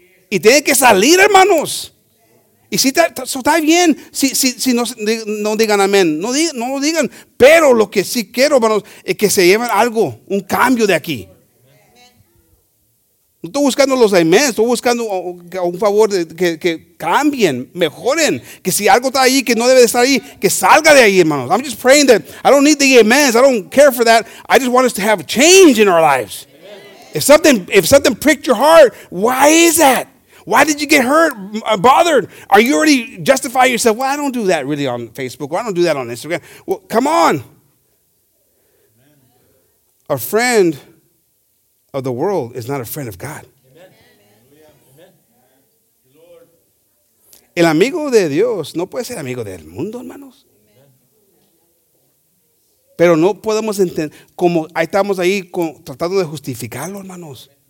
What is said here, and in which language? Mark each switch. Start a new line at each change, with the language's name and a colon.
Spanish: Y tiene que salir, hermanos. Y si está bien, si no digan amén. No lo digan. Pero lo que sí quiero, hermanos, es que se lleven algo, un cambio de aquí. No estoy buscando los amén, estoy buscando un favor de que cambien, mejoren. Que si algo está ahí que no debe de estar ahí, que salga de ahí, hermanos.
English: I'm just praying that I don't need the amens. I don't care for that. I just want us to have a change in our lives. Amen. If something pricked your heart, why is that? Why did you get hurt, bothered? Are you already justifying yourself? Well, I don't do that really on Facebook. Well, I don't do that on Instagram. Well, come on. Amen. A friend of the world is not a friend of God.
Spanish: Amen. El amigo de Dios no puede ser amigo del mundo, hermanos. Pero no podemos entender, como ahí estamos ahí tratando de justificarlo, hermanos.